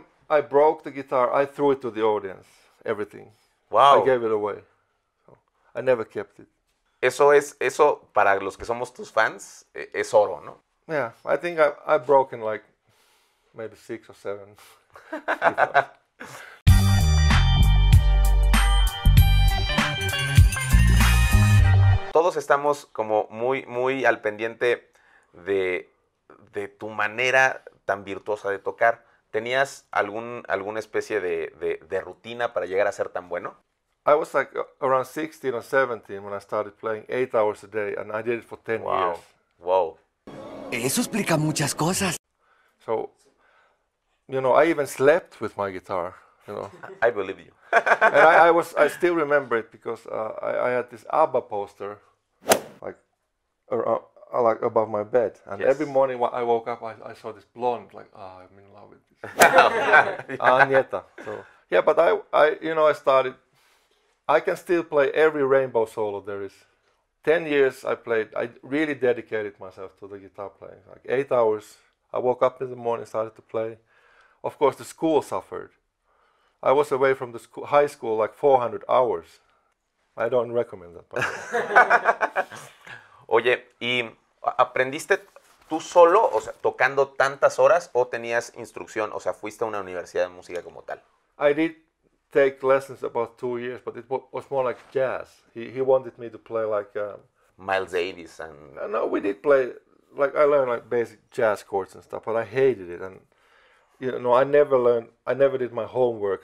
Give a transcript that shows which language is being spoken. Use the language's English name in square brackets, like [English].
[English] I broke the guitar, I threw it to the audience, everything. Wow. I gave it away. I never kept it. [Spanish] Eso para los que somos tus fans, es oro, ¿no? [English] Yeah, I think I've broken like maybe 6 or 7. [Spanish] Todos estamos como muy, muy al pendiente de tu manera tan virtuosa de tocar. ¿Tenías alguna especie de rutina para llegar a ser tan bueno? [English] I was like around 16 or 17 when I started playing 8 hours a day and I did it for 10 wow. years. Wow. [Spanish] Eso explica muchas cosas. [English] So, you know, I even slept with my guitar, you know. I believe you. And I still remember it because I had this ABBA poster like above my bed, and yes. Every morning when I woke up, I saw this blonde, like, oh, I'm in love with this. Yeah. Agneta. So yeah, but I you know, I started, I can still play every rainbow solo there is. 10 years I played, I really dedicated myself to the guitar playing, like 8 hours. I woke up in the morning, started to play. Of course, the school suffered. I was away from the high school like 400 hours. I don't recommend that. [Spanish] Oye, ¿y aprendiste tú solo, o sea, tocando tantas horas, o tenías instrucción, o sea, fuiste a una universidad de música como tal? [English] I did take lessons about 2 years, but it was more like jazz. He wanted me to play like Miles Davis and. No, we did play like I learned like basic jazz chords and stuff, but I hated it. And you know, I never did my homework.